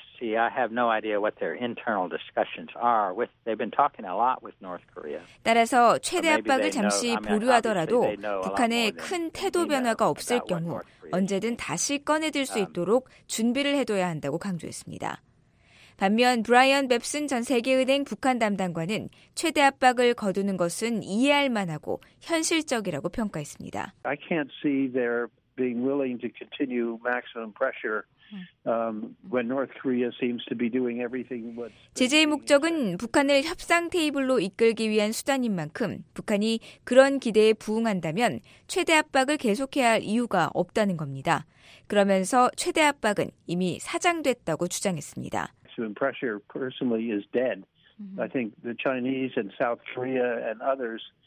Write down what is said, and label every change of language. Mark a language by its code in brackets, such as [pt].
[en] See, I have no idea what their internal discussions are. With they've been talking a lot with North Korea. [ko] 따라서 최대 압박을 잠시 보류하더라도 북한의 큰 태도 변화가 없을 경우 언제든 다시 꺼내들 수 있도록 준비를 해둬야 한다고 강조했습니다. 반면 브라이언 뱁슨 전 세계은행 북한 담당관은 최대 압박을 거두는 것은 이해할 만하고 현실적이라고 평가했습니다. [en] I can't see their being willing to continue maximum pressure. When North Korea seems to be doing everything what's [ko] 제재의 목적은 북한을 협상 테이블로 이끌기 위한 수단인 만큼 북한이 그런 기대에 부응한다면 최대 압박을 계속해야 할 이유가 없다는 겁니다. 그러면서 최대 압박은 이미 사장됐다고 주장했습니다. [en] Maximum pressure personally is dead. I think the Chinese and South Korea and others.